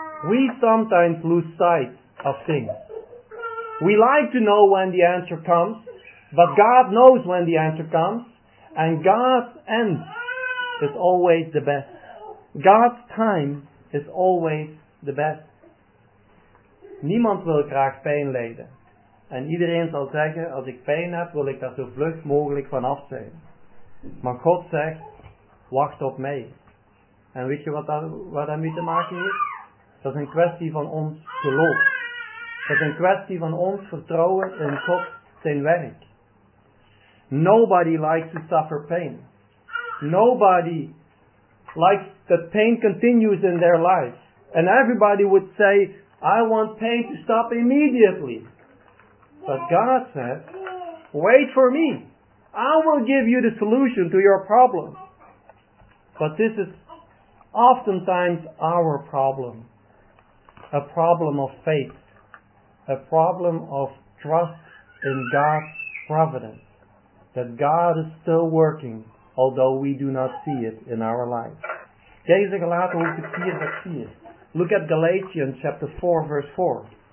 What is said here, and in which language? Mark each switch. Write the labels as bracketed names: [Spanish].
[English] We sometimes lose sight of things. We like to know when the answer comes, but God knows when the answer comes, and God's end is always the best. God's time is always the best. [Dutch] Niemand wil graag pijn lijden. En iedereen zal zeggen, als ik pijn heb, wil ik daar zo vlug mogelijk vanaf zijn. Maar God zegt, wacht op mij. En weet je wat daarmee te maken heeft? Dat is een kwestie van ons geloof. Dat is een kwestie van ons vertrouwen in God zijn werk. [English] Nobody likes to suffer pain. Nobody likes that pain continues in their life. And everybody would say, I want pain to stop immediately. But God says, wait for me. I will give you the solution to your problem. But this is oftentimes our problem. A problem of faith. A problem of trust in God's providence. That God is still working, although we do not see it in our lives. Deze gelaten hoe te zien dat zie je. Look at Galatians chapter 4, verse 4.